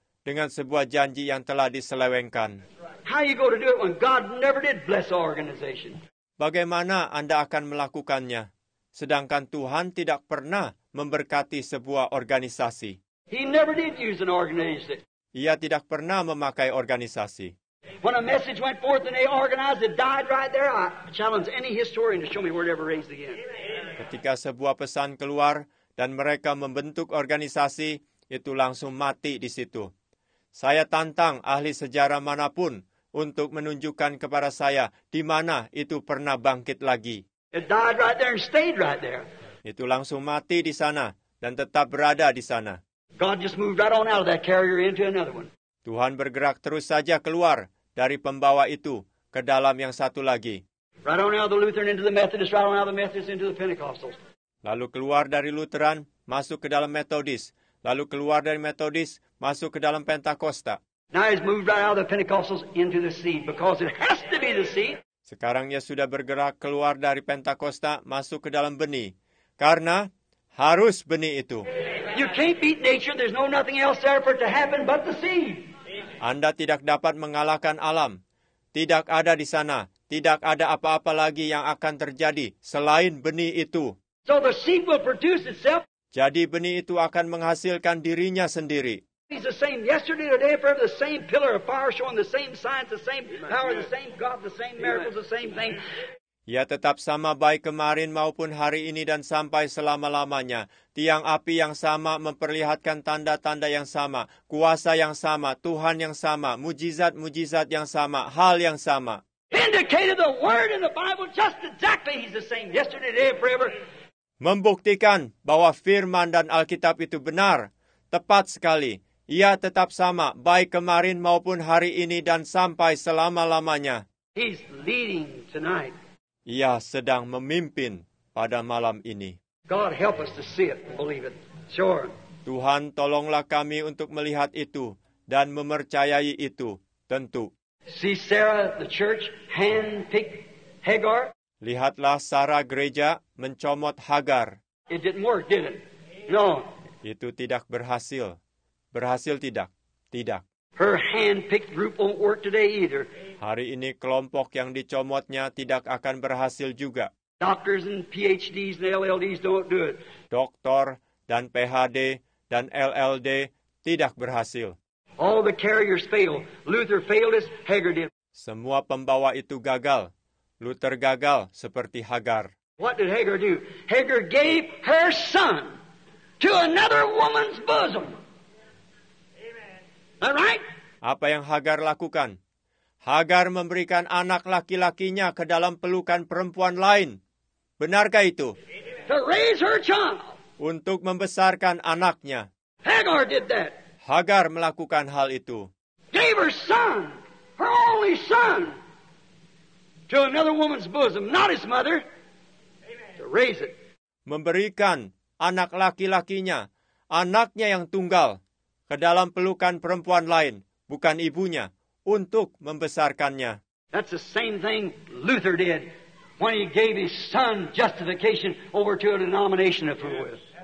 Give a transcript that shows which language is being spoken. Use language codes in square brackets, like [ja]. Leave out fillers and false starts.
[id] Dengan sebuah janji yang telah diselewengkan. [en] How you go to do it when God never did bless our organization? [id] Bagaimana Anda akan melakukannya, sedangkan Tuhan tidak pernah memberkati sebuah organisasi? [en] He never did use an organization. [id] Ia tidak pernah memakai organisasi. [en] When a message went forth and they organized it, died right there. I challenge any historian to show me where it ever raised again. [id] Ketika sebuah pesan keluar dan mereka membentuk organisasi, itu langsung mati di situ. Saya tantang ahli sejarah manapun untuk menunjukkan kepada saya di mana itu pernah bangkit lagi. [en] It died right there and stayed right there. [id] Itu langsung mati di sana dan tetap berada di sana. [en] God just moved right on out of that carrier into another one. [id] Tuhan bergerak terus saja keluar dari pembawa itu ke dalam yang satu lagi. [en] Right on out of the Lutheran into the Methodist, right on out of the Methodist into the Pentecostals. [id] Lalu keluar dari Lutheran, masuk ke dalam Methodist. Lalu keluar dari Methodist, masuk ke dalam Pentakosta. [en] Now he's moved right out of the Pentecostals into the seed, because it has to be the seed. [id] Sekarang ia sudah bergerak keluar dari Pentakosta, masuk ke dalam benih. Karena harus benih itu. [en] You can't beat nature. There's no nothing else there for it to happen but the seed. [id] Anda tidak dapat mengalahkan alam. Tidak ada di sana. Tidak ada apa-apa lagi yang akan terjadi selain benih itu. [en] So the seed will produce itself. [id] Jadi benih itu akan menghasilkan dirinya sendiri. [en] He's the same yesterday, today, forever. The same pillar of fire showing the same signs, the same power, the same God, the same miracles, the same thing. [id] Ia tetap sama baik kemarin maupun hari ini dan sampai selama-lamanya. Tiang api yang sama memperlihatkan tanda-tanda yang sama. Kuasa yang sama, Tuhan yang sama, mujizat-mujizat yang sama, hal yang sama. [en] Indicated the word in the Bible just exactly he's the same yesterday, today, forever. [id] Membuktikan bahwa firman dan Alkitab itu benar. Tepat sekali. Ia tetap sama baik kemarin maupun hari ini dan sampai selama-lamanya. [en] He's leading tonight. [id] Ia sedang memimpin pada malam ini. [en] God help us to see it and believe it. Sure. [id] Tuhan tolonglah kami untuk melihat itu dan mempercayai itu. Tentu. [en] See Sarah, the church, handpicked Hagar. [id] Lihatlah Sarah gereja mencomot Hagar. [en] It didn't work, did it? No. [id] Itu tidak berhasil. Berhasil tidak? Tidak. [en] Her handpicked group won't work today either. [id] Hari ini kelompok yang dicomotnya tidak akan berhasil juga. [en] Doctors and PhDs and LLDs don't do it. [id] Doktor dan PhD dan LLD tidak berhasil. [en] All the carriers fail. Luther failed as Hagar did. [id] Semua pembawa itu gagal. Luther gagal seperti Hagar. [en] What did Hagar do? Hagar gave her son to another woman's bosom. Amen. All right? [id] Apa yang Hagar lakukan? Hagar memberikan anak laki-lakinya ke dalam pelukan perempuan lain. Benarkah itu? [en] To raise her child. [id] Untuk membesarkan anaknya. [en] Hagar did that. [id] Hagar melakukan hal itu. [en] Gave her son, her only son, to another woman's bosom, not his mother, to raise it. [id] Memberikan anak laki-lakinya, anaknya yang tunggal, ke dalam pelukan perempuan lain, bukan ibunya. Untuk membesarkannya. [en] That's the same thing Luther did when he gave his son justification over to a denomination of fools.